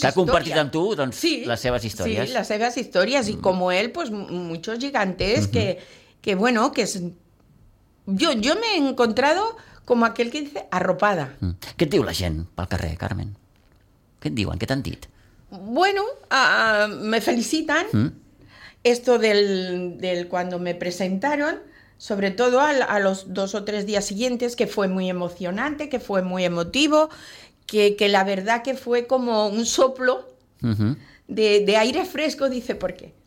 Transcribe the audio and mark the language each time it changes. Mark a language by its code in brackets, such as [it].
[es] Que ha compartido con tú las [ca] seves [es] historias. Sí, las [ca] seves [es] historias. Y como él, pues muchos gigantes que es... [ca] Jo m'he [es] encontrado [ca] com aquell que [es] dice arropada. [ca] Què et diu la gent pel carrer, Carmen? Què et diuen? Què t'han dit? [es] Bueno, me felicitan. Esto del cuando me presentaron, sobre todo a los dos o tres días siguientes, que fue muy emocionante, que fue muy emotivo, que la verdad que fue como un soplo de aire fresco, dice, ¿por qué?